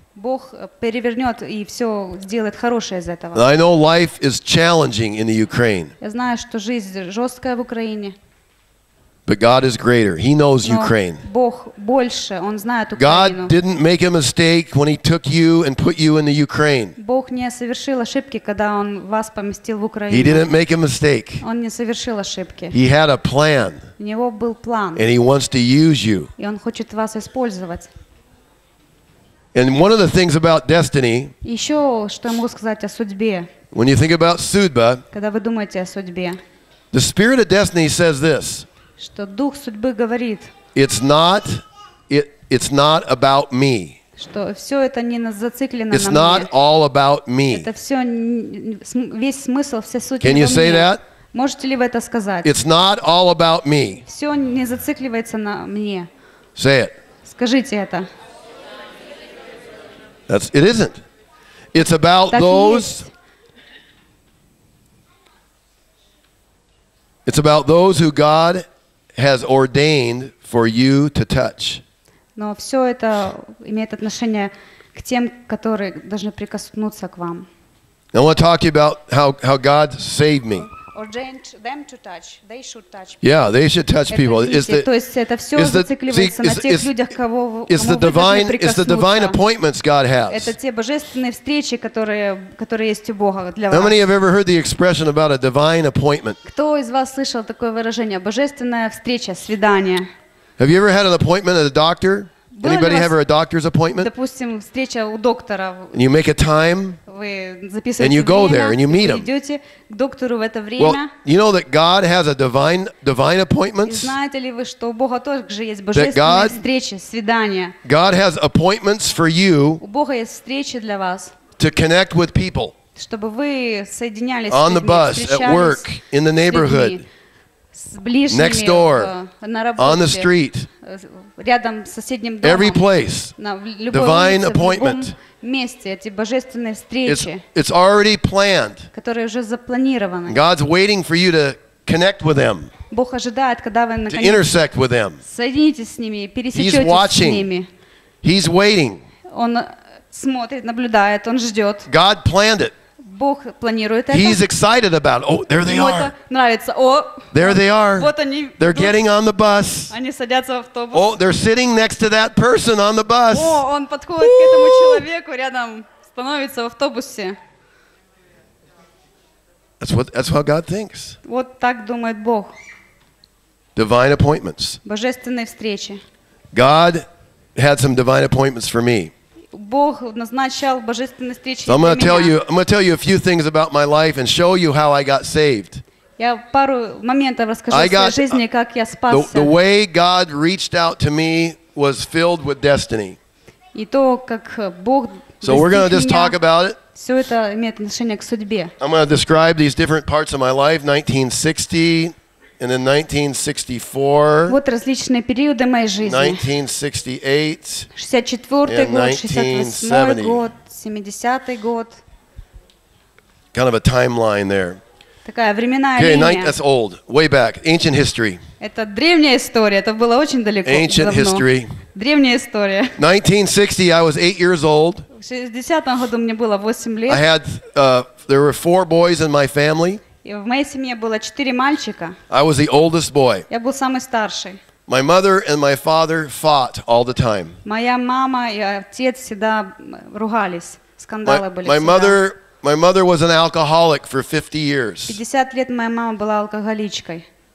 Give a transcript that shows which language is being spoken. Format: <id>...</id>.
<ru>Бог перевернет и все сделает хорошее из этого.</ru> <en>I know life is challenging in the Ukraine.</en> <ru>Я знаю, что жизнь жесткая в Украине.</ru> <en>But God is greater. He knows Ukraine.</en> <ru>Бог больше, Он знает Украину.</ru> <en>God didn't make a mistake when He took you and put you in the Ukraine.</en> <ru>Бог не совершил ошибки, когда Он вас поместил в Украину.</ru> <en>He didn't make a mistake.</en> <ru>Он не совершил ошибки.</ru> <en>He had a plan.</en> <ru>У него был план.</ru> <en>And He wants to use you.</en> <ru>И Он хочет вас использовать.</ru> <en>And one of the things about destiny.</en> <ru>Еще что я могу сказать о судьбе.</ru> <en>When you think about судьба.</en> <ru>Когда вы думаете о судьбе.</ru> <en>The spirit of destiny says this.</en> <ru>Что дух судьбы говорит.</ru> <en>It's not about me.</en> <ru>Что все это не зациклено на мне.</ru> <en>It's not all about me.</en> <ru>Это все весь смысл, вся суть.</ru> <en>Can you say that?</en> <ru>Можете ли вы это сказать?</ru> <en>It's not all about me.</en> <ru>Все не зацикливается на мне.</ru> <en>Say it.</en> <ru>Скажите это.</ru> <en>That's it isn't. It's about those. It's about those who God has ordained for you to touch.</en> <ru>Но все это имеет отношение к тем, которые должны прикоснуться к вам.</ru> <en>I want to talk to you about how God saved me. Ordained them to touch. They should touch people. Yeah, they should touch people. It's the divine. It's the divine appointments God has.</en> <ru>Это те божественные встречи, которые есть у Бога для вас.</ru> <en>How many have ever heard the expression about a divine appointment?</en> <ru>Кто из вас слышал такое выражение? Божественная встреча, свидание.</ru> <en>Have you ever had an appointment at a doctor? Anybody have a doctor's appointment?</en> <ru>Допустим, встреча у доктора.</ru> <en>And you make a time. And you go there and you meet him. Well, you know that God has a divine appointments.</en> <ru>Знаете ли вы, что у Бога тоже есть божественные встречи, свидания?</ru> <en>God has appointments for you.</en> <ru>У Бога есть встречи для вас.</ru> <en>To connect with people.</en> <ru>Чтобы вы соединялись.</ru> <en>On the bus, at work, in the neighborhood. Next door, on the street, every place, divine appointment. It's already planned. God's waiting for you to connect with them, to intersect with them. He's watching. He's waiting. God planned it.</en> <ru>Бог планирует это.</ru> <en>He's excited about it. Oh, there they are.</en> <ru>Нравится.</ru> <en>There they are.</en> <ru>Вот они.</ru> <en>They're getting on the bus.</en> <ru>Они садятся в автобус.</ru> <en>Oh, they're sitting next to that person on the bus.</en> <ru>О, он подходит к этому человеку рядом, становится в автобусе.</ru> <en>That's what God thinks.</en> <ru>Вот так думает Бог.</ru> <en>Divine appointments.</en> <ru>Божественные встречи.</ru> <en>God had some divine appointments for me.</en> <ru>Бог назначал божественные встречи.</ru> <en>I'm going to tell you a few things about my life and show you how I got saved.</en> <ru>Я пару моментов расскажу о своей жизни, как я спасся.</ru> <en>The way God reached out to me was filled with destiny.</en> <ru>И то, как Бог достиг меня.</ru> <en>So we're going to just talk about it.</en> <ru>Все это имеет отношение к судьбе.</ru> <en>I'm going to describe these different parts of my life, 1960 and then 1964.</en> <ru>Вот различные периоды моей жизни.</ru> <en>1968.</en> <ru>64-й год, 68-й год, 70-й год.</ru> <en>Kind of a timeline there.</en> <ru>Такая временная линия.</ru> <en>Okay, that's old, way back, ancient history.</en> <ru>Это древняя история, это было очень далеко, давно.</ru> <en>Ancient history.</en> <ru>Древняя история.</ru> <en>1960, I was 8 years old.</en> <ru>В 60-м году мне было 8 лет.</ru> <en>I had, there were 4 boys in my family.</en> <ru>И в моей семье было 4 мальчика.</ru> <en>I was the oldest boy.</en> <ru>Я был самый старший.</ru> <en>My mother and my father fought all the time.</en> <ru>Моя мама и отец всегда ругались, скандалы были всегда.</ru> <en>My mother was an alcoholic for 50 years.</en> <ru>50 лет моя мама была алкоголичкой.</ru>